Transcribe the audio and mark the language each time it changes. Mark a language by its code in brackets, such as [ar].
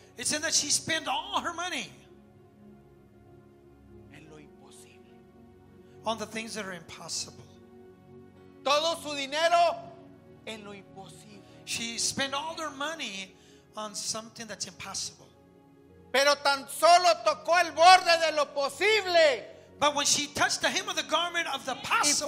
[en] It said that she spent all her money. [es] En lo imposible. [en] On the things that are impossible. [es] Todo su dinero en lo imposible. [en] She spent all her money on something that's impossible. [es] Pero tan solo tocó el borde de lo posible. [en] But when she touched the hem of the garment of the possible,